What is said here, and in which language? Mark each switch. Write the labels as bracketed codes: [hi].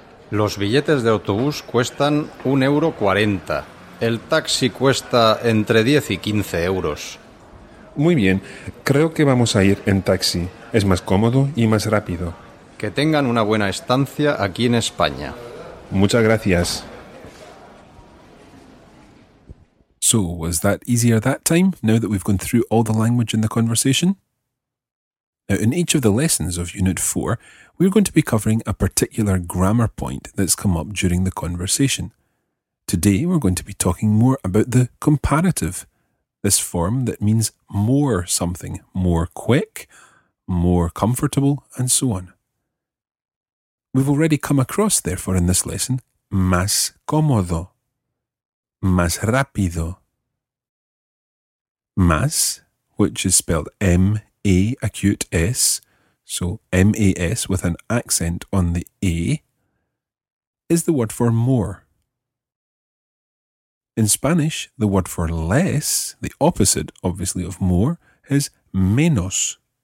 [es] Los billetes de autobús cuestan 1,40 €. El taxi cuesta entre 10 y 15 euros. Muy bien, creo que vamos a ir en taxi. Es más cómodo y más rápido. Que tengan una buena estancia aquí en España. Muchas gracias. [en] So, was that easier that time, now that we've gone through all the language in the conversation? Now, in each of the lessons of Unit 4, we're going to be covering a particular grammar point that's come up during the conversation. Today, we're going to be talking more about the comparative, this form that means more something, more quick, more comfortable, and so on. We've already come across, therefore, in this lesson, [es] más cómodo, más rápido. [en] Más, which is spelled M-A acute S, so M-A-S with an accent on the A, is the word for more. In Spanish, the word for less, the opposite, obviously, of more, is menos.